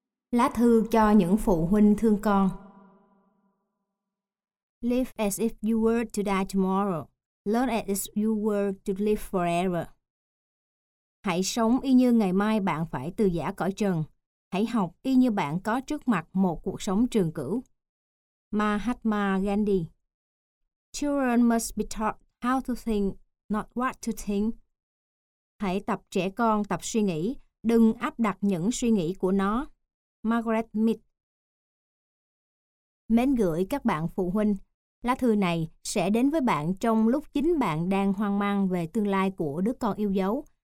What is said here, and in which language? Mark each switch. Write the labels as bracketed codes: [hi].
[vi] Lá thư cho những phụ huynh thương con. [en] Live as if you were to die tomorrow. Learn as if you were to live forever. [vi] Hãy sống y như ngày mai bạn phải từ giã cõi trần. Hãy học y như bạn có trước mặt một cuộc sống trường cửu. Mahatma Gandhi. [en] Children must be taught how to think, not what to think. [vi] Hãy tập trẻ con tập suy nghĩ, đừng áp đặt những suy nghĩ của nó. Margaret Mead. Mến gửi các bạn phụ huynh, lá thư này sẽ đến với bạn trong lúc chính bạn đang hoang mang về tương lai của đứa con yêu dấu.